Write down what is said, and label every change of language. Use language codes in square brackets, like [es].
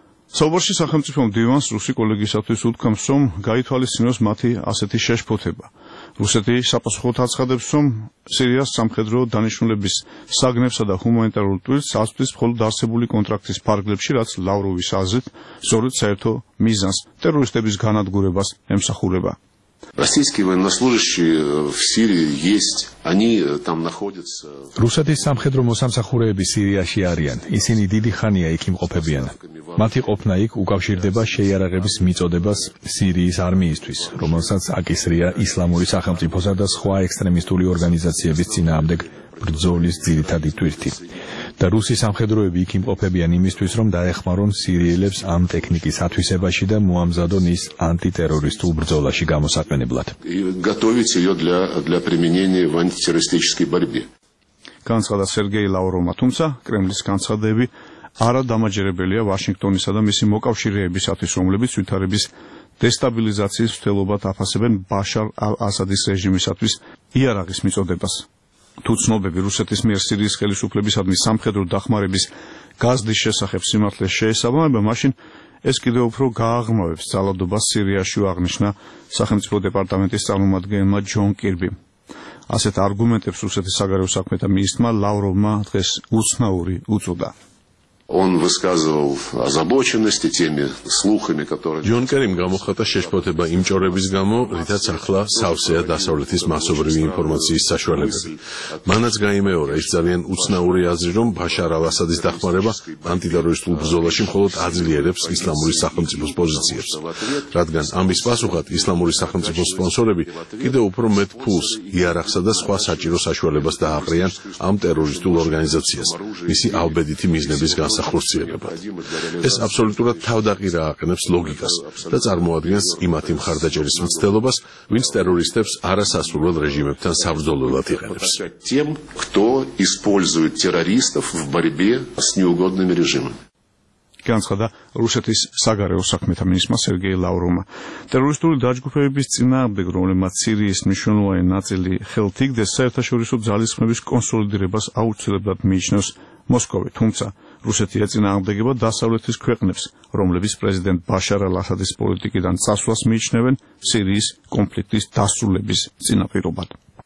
[ka] საუბარში სახელმწიფო მდივანს რუსი კოლეგისათვის უთქვამს, რომ გაითვალისწინოს მათი ასეთი შეშფოთება. რუსეთი საპასუხოდ აცხადებს, რომ სირიას სამხედრო დანიშნულების საგნებსა და ჰუმანიტარულ ტვირთს ასწვის მხოლოდ არსებული კონტრაქტის ფარგლებში, რაც ლავროვის აზრით ზოგადად საერთო მიზანს ტერორისტების განადგურებას ემსახურება. [ru] Российские военнослужащие в Сирии есть, они там находятся. Русские [ka] სამხედრო მოსამსახურეები სირიაში არიან. ისინი დიდი ხანია იქ იმყოფებიან. მათი ყოფნა იქ უკავშირდება შეიარაღების მიწოდებას სირიის არმიისთვის, რომელსაც აკისრია ისლამური სახელმწიფოსა და სხვა ექსტრემისტული ორგანიზაციების წინააღმდეგ ბრძოლის ძირითადი ტვირთი. და რუსი სამხედროები იქ იმყოფებიან იმისთვის, რომ დაეხმარონ სირიელებს ამ ტექნიკის ათვისებაში და მოამზადონ ის ანტიტერორისტულ ბრძოლაში გამოსაყენებლად. [ru] Готовить её для применения в антитеррористической борьбе. [ka] განცხადა სერგეი ლავროვმა, თუმცა კრემლის განცხადები არა დამაჯერებელია ვაშინგტონისა და მისი მოკავშირეებისათვის, რომლებიც ვითარების დესტაბილიზაციის მცდელობად აფასებენ ბაშარ ალ-ასადის რეჟიმისათვის იარაღის მიწოდებას. თუ ცნობები რუსეთის მიერ სირიის ხელისუფლებისადმი სამხედრო დახმარების გაზდის შესახებ სიმართლე შეესაბამება, მაშინ ეს კიდევ უფრო გააღრმავებს ძალადობას სირიაში, აღნიშნა სახელმწიფო დეპარტამენტის წარმომადგენელმა ჯონ კირბი. ასეთ არგუმენტებს რუსეთის საგარეო საქმეთა მინისტრმა ლავროვმა დღეს უცნაური უწოდა. [ru] Он высказывал озабоченности теми слухами, которые [ka] Джон Керим გამოხატა შეშფოთება იმ ჭორების გამო, რითაც ახლა სავსეა დასავლეთის მასობრივი ინფორმაციის საშუალებები. მანაც გამოიმეორა ის ძალიან უცნაური აზრი, რომ ბაშარ ალ-ასადის დახმარება ანტიტერორისტულ ბრძოლაში მხოლოდ აძლიერებს ისლამური სახელმწიფოს პოზიციებს, რადგან ამის პასუხად ისლამური სახელმწიფოს სპონსორები კიდევ უფრო მეტ ფულს, იარაღსა და სხვა საჭირო საშუალებას დააყრიან ამ ტერორისტულ ორგანიზაციას. მისი ალბედიტი მიზნები განსახორციელებად. ეს აბსოლუტურად თავდაყირა აყენებს ლოგიკას და წარმოადგენს იმათი მხარდაჭერის მცდელობას, ვინც ტერორისტებს არასასურველ რეჟიმებთან საბრძოლველად იყენებს. [ru] Тем, кто использует террористов в борьбе с неугодными режимами. [ka] განცხადა რუსეთის საგარეო საქმეთა მინისტრმა სერგეი ლავროვმა. ტერორისტული დაჯგუფების წინააღმდეგ, რომლებმაც სირიის მნიშვნელოვანი ნაწილი ხელთ იგდეს, საერთაშორისო ძალისხმების კონსოლიდირებას აუცილებლად მიიჩნევს მოსკოვი. თუმცა რუსეთი ეწინააღმდეგება დასავლეთის ქვეყნებს, რომლებიც პრეზიდენტ ბაშარ ალ-ასადის პოლიტიკიდან წასვლას მიიჩნევენ სირიის კონფლიქტის დასრულების წინაპირობად.